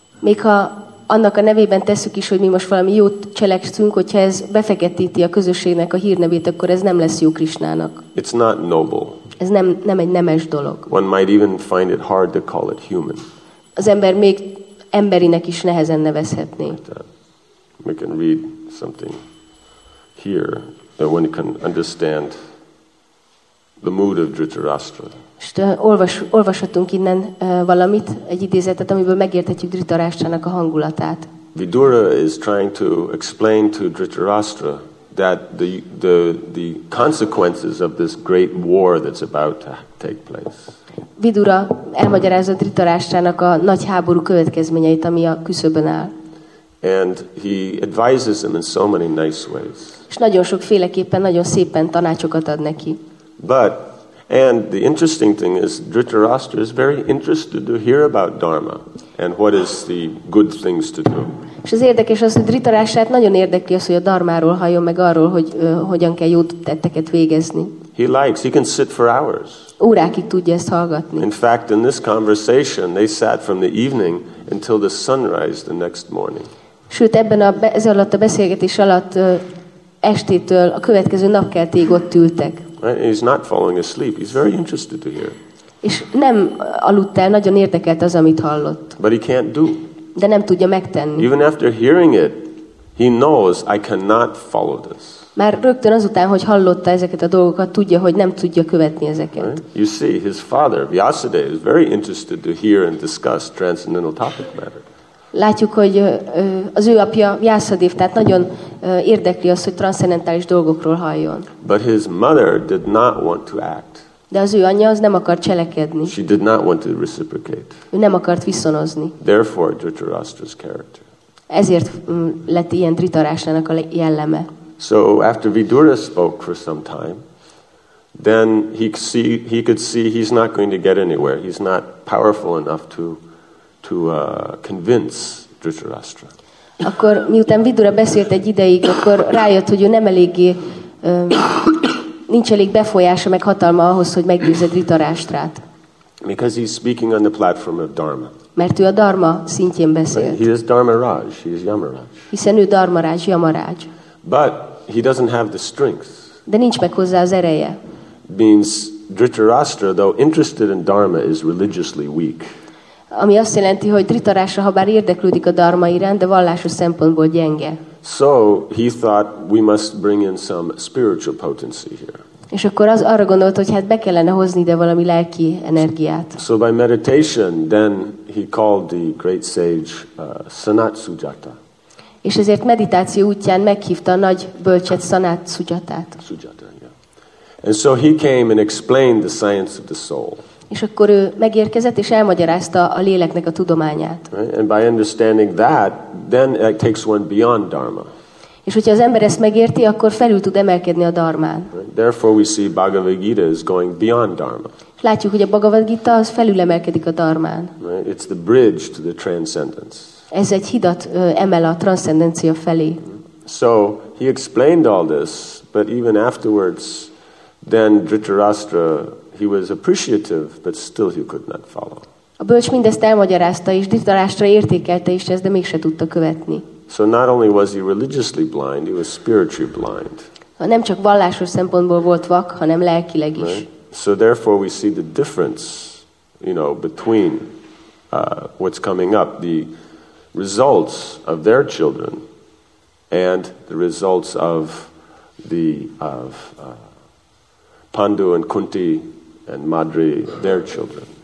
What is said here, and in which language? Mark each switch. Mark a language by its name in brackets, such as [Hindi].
[Hungarian] Még ha annak a nevében tesszük is, hogy mi most valami jót cselekszünk, hogyha ez befeketíti a közösségnek a hírnevét, akkor ez nem lesz jó Krishnának. [English] It's not noble. [Hungarian] Ez nem egy nemes dolog. [English] One might even find it hard to call it human. [Hungarian] Az ember még emberinek is nehezen nevezhetné. [English] We can read something here that one can understand the mood of Dhritarashtra. [Hungarian] Olvashatunk innen valamit, egy idézetet, amiből megérthetjük Dhritarashtra-nak a hangulatát. [English] Vidura is trying to explain to Dhritarashtra that the consequences of this great war that's about to take place. [Hungarian] Vidura elmagyarázza Dhritarashtra-nak a nagy háború következményeit, ami a küszöbön áll. [English] And he advises him in so many nice ways. [Hungarian] És nagyon sokféleképpen, nagyon szépen tanácsokat ad neki. [English] But and the interesting thing is Dhritarashtra is very interested to hear about dharma and what is the good things to do. [Hungarian] És az érdekes az, hogy Dhritarashtrát nagyon érdekli az, hogy a dharmáról halljon meg arról, hogy hogyan kell jó tetteket végezni. [English] He likes, he can sit for hours. [Hungarian] Órákig tudja ezt hallgatni. [English] In fact, in this conversation they sat from the evening until the sunrise the next morning. [Hungarian] Sőt, ebben a ez alatt a beszélgetés alatt estétől a következő napkeltig ott ültek. [English] He's not falling asleep. He's very interested to hear. [Hungarian] És nem aludt el, nagyon érdekelt az, amit hallott. [English] But he can't do. [Hungarian] De nem tudja megtenni. [English] Even after hearing it, he knows I cannot follow this. [Hungarian] Már rögtön azután, hogy hallotta ezeket a dolgokat, tudja, hogy nem tudja követni ezeket. [English] Right? You see, his father, Vyasadeva, is very interested to hear and discuss transcendental topic matter. [Hungarian] Látjuk, hogy az ő apja Vyasadeva, tehát nagyon érdekli az, hogy transzcendentális dolgokról halljon. [English] But his mother did not want to act. [Hungarian] De az ő anyja az nem akart cselekedni. [English] She did not want to reciprocate. [Hungarian] Ő nem akart viszonozni. [English] Therefore, Dhritarashtra's character. [Hungarian] Ezért lett ilyen Dhritarashtra-nak a jelleme. [English] So after Vidura spoke for some time, then he could see he's not going to get anywhere. He's not powerful enough to convince Dhritarashtra. [Hungarian] Akkor miután Vidura beszélt egy ideig, akkor rájött, hogy ő nem eléggé, nincs elég befolyása meg hatalma ahhoz, hogy meggyőzze Dhritarashtrát. [English] Because he's speaking on the platform of dharma. [Hungarian] Mert ő a dharma szintjén beszélt. [English] He is Dharmaraj, he is Yamaraj. [Hungarian] Hiszen ő Dharmaraj, Yamaraj. [English] But he doesn't have the strength. [Hungarian] De nincs meg hozzá az ereje. [English] Means Dhritarashtra, though interested in dharma, is religiously weak. [Hungarian] Ami azt jelenti, hogy Dhritarashtra, ha bár érdeklődik a dharma iránt, de vallásos szempontból gyenge. [English] So he thought we must bring in some spiritual potency here. [Hungarian] És akkor az arra gondolt, hogy hát be kellene hozni ide valami lelki energiát. [English] So by meditation, then he called the great sage Sanat Sujata. [Hungarian] És ezért meditáció útján meghívta a nagy bölcset Sanat Sujatát. [English] Sujata, yeah. And so he came and explained the science of the soul. [Hungarian] És akkor ő megérkezett és elmagyarázta a léleknek a tudományát. [English] Right? And by understanding that, then it takes one beyond dharma. [Hungarian] És hogyha az ember ezt megérti, akkor felül tud emelkedni a dharmán. [English] Right? Therefore we see Bhagavad Gita is going beyond dharma. [Hungarian] És látjuk, hogy a Bhagavad Gita az felül emelkedik a dharmán. [English] Right? It's the bridge to the transcendence. [Hungarian] Ez egy hidat emel a transzcendencia felé. [English] So he explained all this, but even afterwards, then Dhritarashtra, he was appreciative, but still he could not follow. [Hungarian] A bölcs mindezt elmagyarázta, és Dhritarashtra értékelte is ezt, de mégse tudta követni. [English] So not only was he religiously blind, he was spiritually blind. [Hungarian] Nem csak vallásos szempontból volt vak, hanem lelkileg is. [English] Right? So therefore we see the difference, you know, between what's coming up, the results of their children and the results of the Pandu and Kunti and Madri, their children.